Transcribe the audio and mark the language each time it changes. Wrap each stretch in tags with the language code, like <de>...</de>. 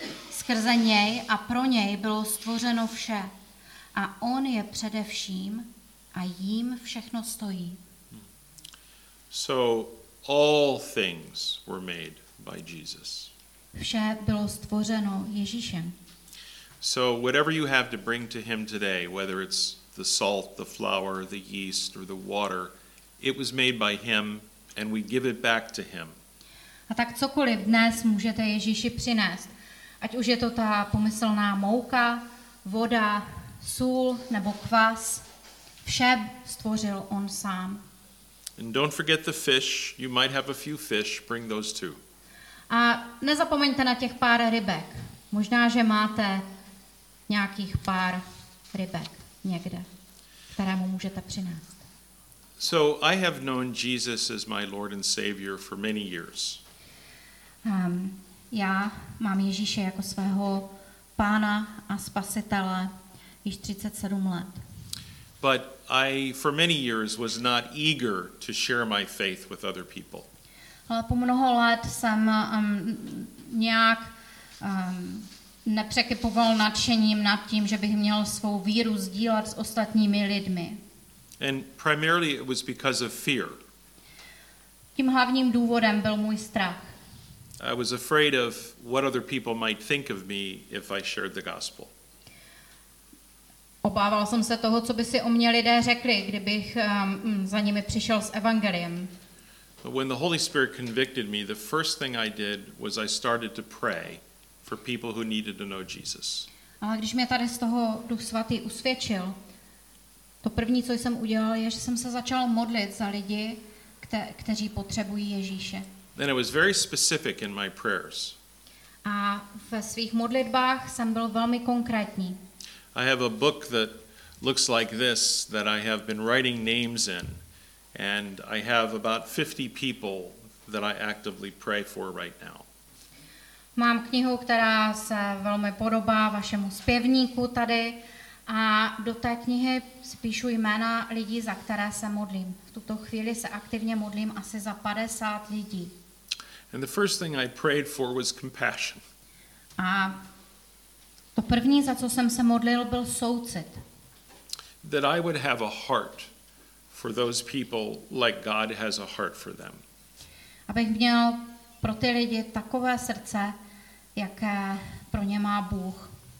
<cs>Skrze něj a pro něj bylo stvořeno vše. A on je především a jím všechno stojí.</cs> <en>So all things were made by Jesus.</en> <cs>Vše bylo stvořeno Ježíšem.</cs> <en>So whatever you have to bring to him today, whether it's the salt, the flour, the yeast or the water, it was made by him and we give it back to him.</en> <cs>A tak cokoliv dnes můžete Ježíši přinést, ať už je to ta pomyslná mouka, voda, sůl nebo kvas, vše stvořil on sám.</cs> <en>And don't forget the fish. You might have a few fish. Bring those too.</en> <cs>A nezapomeňte na těch pár rybek. Možná, že máte nějakých pár rybek někde, které mu můžete přinést.</cs> <en>So I have known Jesus as my Lord and Savior for many years.</en> <cs>Já mám Ježíše jako svého pána a spasitele již 37 let.</cs> <en>But I for many years was not eager to share my faith with other people.</en> <cs>Ale po mnoho let jsem nějak nepřekypoval nadšením nad tím, že bych měl svou víru sdílet s ostatními lidmi.</cs> <en>And primarily it was because of fear.</en> <cs>Tím hlavním důvodem byl můj strach.</cs> <en>I was afraid of what other people might think of me if I shared the gospel.</en> <cs>Obával jsem se toho, co by si o mě lidé řekli, kdybych za nimi přišel s evangeliem.</cs> <en>When the Holy Spirit convicted me, the first thing I did was I started to pray for people who needed to know Jesus.</en> <cs>Ale když mě tady z toho Duch svatý usvědčil, to první, co jsem udělal, je, že jsem se začal modlit za lidi, kteří potřebují Ježíše.</cs> <en>Then it was very specific in my prayers.</en> <cs>A ve svých modlitbách jsem byl velmi konkrétní.</cs> <en>I have a book that looks like this that I have been writing names in, and I have about 50 people that I actively pray for right now.</en> <cs>Mám knihu, která se velmi podobá vašemu zpěvníku tady, a do té knihy spíšu jména lidí, za které se modlím. V tuto chvíli se aktivně modlím asi za 50 lidí.</cs> <en>And the first thing I prayed for was compassion.</en> <cs>A To první, za co jsem se modlil, byl soucit.</cs> <en>That I would have a heart for those people like God has a heart for them.</en> <cs>Abych měl pro ty lidi takové srdce, jaké pro ně má Bůh.</cs>